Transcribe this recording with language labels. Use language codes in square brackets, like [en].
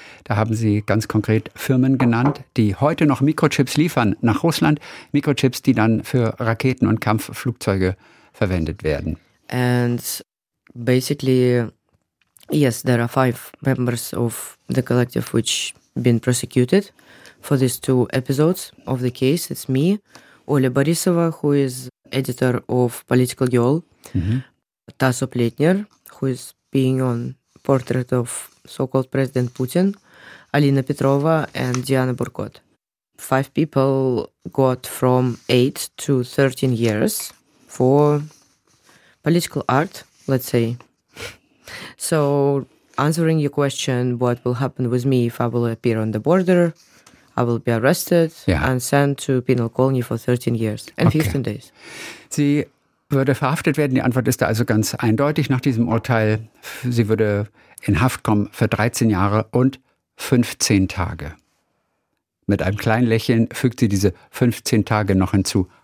[de] Da haben Sie ganz konkret Firmen genannt, die heute noch Mikrochips liefern nach Russland. Mikrochips, die dann für Raketen und Kampfflugzeuge verwendet werden. [en] And basically, yes, there are 5 members of the collective which been prosecuted for these 2 episodes of the case. It's me, Оля Борисова, who is editor of Political Girl, Тасо Плетнер, who is being on portrait of so-called President Putin, Алина Петрова and Диана Буркот. 5 people got from 8 to 13 years for political art, let's say. So answering your question, what will happen with me if I will appear on the border? I will be arrested and sent to penal colony for 13 years and 15 days. [de] Sie würde verhaftet werden. Die Antwort ist da also ganz eindeutig nach diesem Urteil. Sie würde in Haft kommen für 13 Jahre und 15 Tage. Mit einem kleinen Lächeln fügt sie diese 15 Tage noch hinzu.